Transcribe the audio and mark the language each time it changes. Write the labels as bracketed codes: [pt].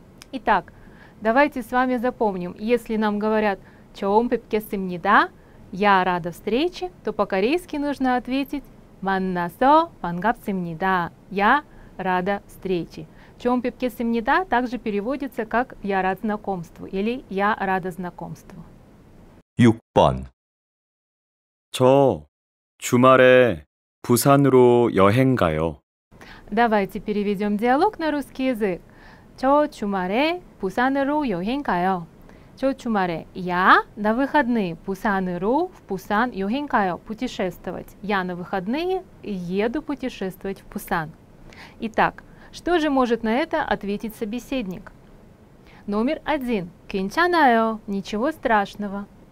[ru] Итак, давайте с вами запомним, если нам говорят «чоум пепкесымнида» – «я рада встрече», то по-корейски нужно ответить «маннасо пангапсымнида» – «я рада встрече». «Чоум пепкесымнида» также переводится как «я рад знакомству» или «я рада знакомству». [ko] 6번. 저 주말에 부산으로 여행 가요. [ru] Давайте переведем диалог на русский язык. [ko] 저 주말에 부산으로 여행 가요. 저 주말에 [ru] я на выходные [ko] 부산으로 [ru] в Пусан [ko] 여행 가요. [ru] Путешествовать. Я на выходные еду путешествовать в Пусан. Итак, Что же может на это ответить собеседник? Номер один. [ko] 괜찮아요. [ru] Ничего страшного.